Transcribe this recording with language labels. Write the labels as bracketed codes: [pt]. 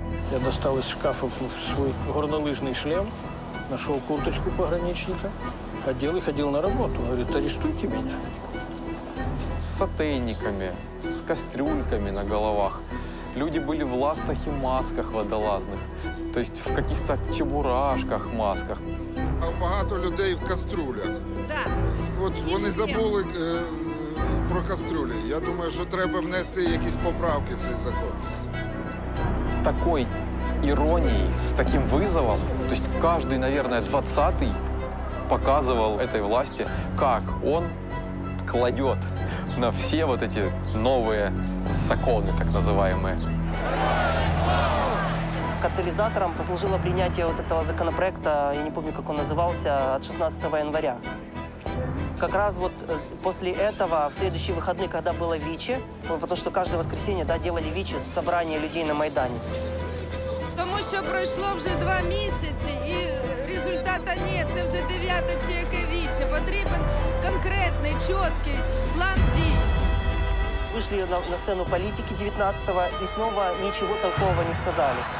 [ru] Я достал из шкафа свой горнолыжный шлем, нашел курточку пограничника, одел и ходил на работу. Говорит, арестуйте меня. С сотейниками, с кастрюльками на головах. Люди были в ластах и масках водолазных. То есть в каких-то чебурашках, масках. [uk] А багато людей в кастрюлях. Так. От вони забули про кастрюлі. Я думаю, що треба внести якісь поправки в цей закон. [ru] Такой иронией, с таким вызовом, то есть каждый, наверное, 20-й показывал этой власти, как он кладет на все вот эти новые законы, так называемые. Катализатором послужило принятие вот этого законопроекта, я не помню, как он назывался, от 16 января. Как раз вот после этого, в следующие выходные, когда было ВИЧи, потому что каждое воскресенье, да, делали ВИЧи, собрание людей на Майдане. [uk] Тому що пройшло вже 2 місяці і результата ні, це вже 9-те чи яке віче. Потрібен конкретний, чіткий план дій. Вийшли на сцену політики 19-го і знову нічого толкового не сказали.